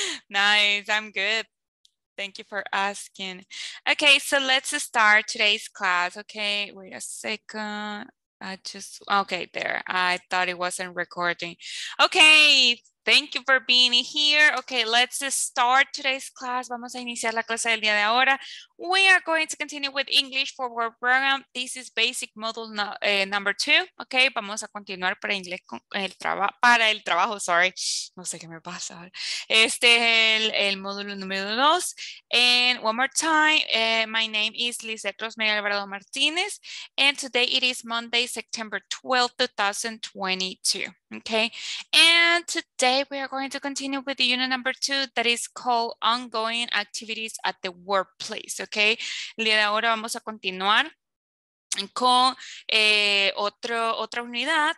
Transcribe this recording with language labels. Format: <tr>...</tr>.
<en>Nice. I'm good. Thank you for asking. Okay, so let's start today's class. Okay, wait a second. I just, okay, there. I thought it wasn't recording. Okay. Thank you for being here. Okay, let's start today's class.</en> <es>Vamos a iniciar la clase del día de ahora.</es> <en>We are going to continue with English for Work Program. This is basic module number 2.</en> <es>Okay, vamos a continuar para inglés con el trabajo, para el trabajo, sorry. No sé qué me pasa. Este es el módulo número 2.</es> <en>And one more time, my name is Lizeth Rosemary Alvarado Martinez. And today it is Monday, September 12, 2022. Okay, and today we are going to continue with the unit number 2 that is called Ongoing Activities at the Workplace.</en> <es>Okay, el día de ahora vamos a continuar con otra unidad.</es>